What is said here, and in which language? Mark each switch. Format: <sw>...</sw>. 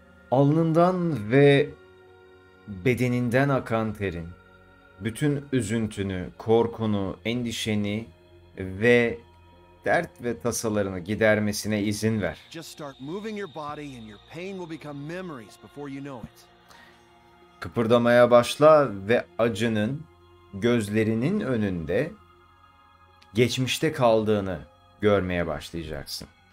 <tr>Alnından ve bedeninden akan terin bütün üzüntünü, korkunu, endişeni ve dert ve tasalarını gidermesine izin ver.</tr> <en>Just start moving your body and your pain will become memories before you know it.</en> <tr>Kıpırdamaya başla ve acının gözlerinin önünde geçmişte kaldığını görmeye başlayacaksın.</tr>